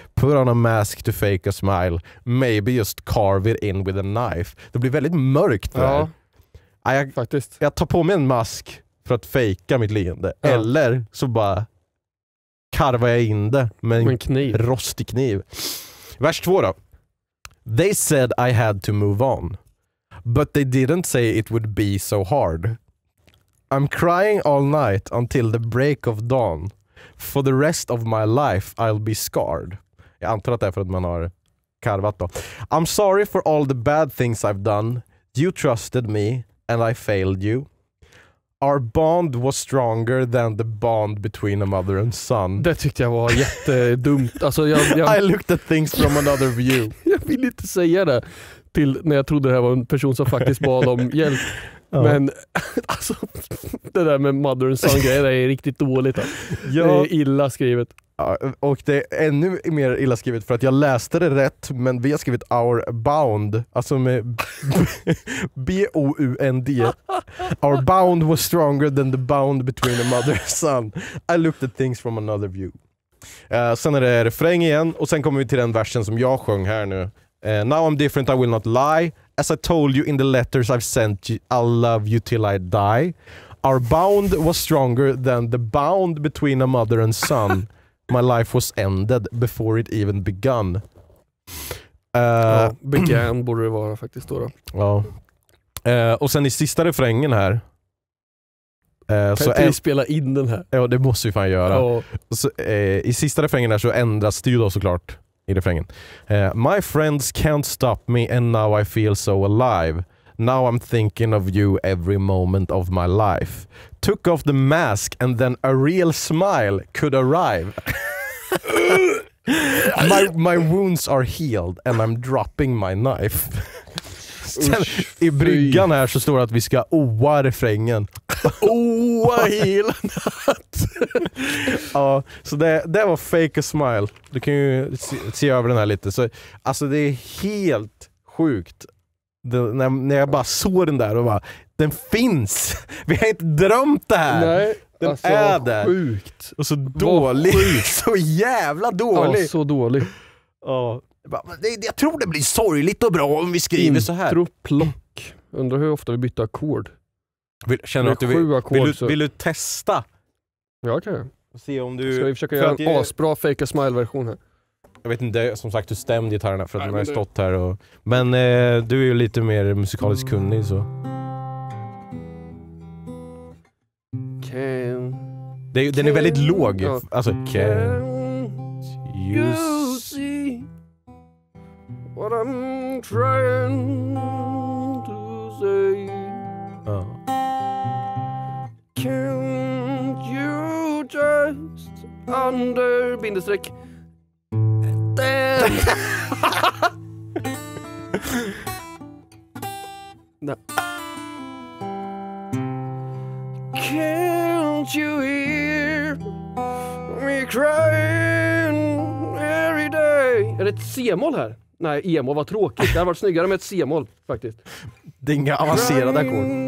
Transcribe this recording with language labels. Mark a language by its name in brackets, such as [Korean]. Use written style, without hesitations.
[English] Put on a mask to fake a smile, maybe just carve it in with a knife. [Swedish] Det blir väldigt mörkt där. Ja, faktiskt. Jag tar på mig en mask för att fejka mitt leende, eller så bara karvar jag in det med en kniv. Rostig kniv. Vers 2 då: [English] They said I had to move on, but they didn't say it would be so hard. I'm crying all night until the break of dawn. For the rest of my life I'll be scarred. [Swedish] Jag antar att det är för att man har karvat då. [English] I'm sorry for all the bad things I've done. You trusted me and I failed you. Our bond was stronger than the bond between a mother and son. [Swedish] Det tyckte jag var jättedumt. Alltså jag... [English] I looked at things from another view. [Swedish] Jag vill inte säga det till när jag trodde det här var en person som faktiskt bad om hjälp. Ja. Men alltså, det där med [English] mother and son [Swedish] grejer är riktigt dåligt. Ja. Det är illa skrivet. Ja, och det är ännu mer illa skrivet, för att jag läste det rätt, men vi har skrivit [English] our bound. [Swedish] Alltså med B-O-U-N-D. [English] Our bound was stronger than the bound between a mother and son. I looked at things from another view. [Swedish] Sen är det refräng igen, och sen kommer vi till den versen som jag sjöng här nu. [English] Now I'm different, I will not lie. As I told you in the letters I've sent you, I'll love you till I die. Our bond was stronger than the bond between a mother and son. My life was ended before it even begun. [Swedish] Began borde det vara faktiskt då. Och sen i sista refrängen här. Kan inte vi spela in den här? Ja, det måste vi fan göra. I sista refrängen här så ändras det ju då såklart. I refrängen. [English] My friends can't stop me and now I feel so alive. Now I'm thinking of you every moment of my life. Took off the mask and then a real smile could arrive. my wounds are healed and I'm dropping my knife. [Swedish] I bryggan här så står det att vi ska oa refrängen. Oa hela natt. Ja, så det var Fake a Smile. Du kan ju se över den här lite. Så, alltså det är helt sjukt. När jag bara såg den där och bara, den finns. Vi har inte drömt det här. Nej, den alltså, är där. Sjukt. Och så dålig. Så jävla dålig. Ja, så dålig. Ja. Jag tror det blir sorgligt och bra om vi skriver så här. Introplock. Undrar hur ofta vi byter ackord. Känner att du vill du testa? Ja, kan jag. Se om du ska vi försöka göra en asbra Fake a Smile-version här. Jag vet inte, som sagt, du stämde gitarrerna för att de har stått här. Och, men du är ju lite mer musikaliskt kunnig, så. [English] Can, [Swedish] det är, can, den är väldigt låg. Ja. Alltså, [English] can you see what I'm trying to say? [Swedish] Ja. [English] Can't you just under [Swedish] bindestreck? [English] No. Can't you hear me crying every day? [Swedish] Är det ett C-moll här? Nej, E-moll var tråkigt. Det hade varit snyggare med ett C-moll faktiskt. Det är inga avancerade ackord.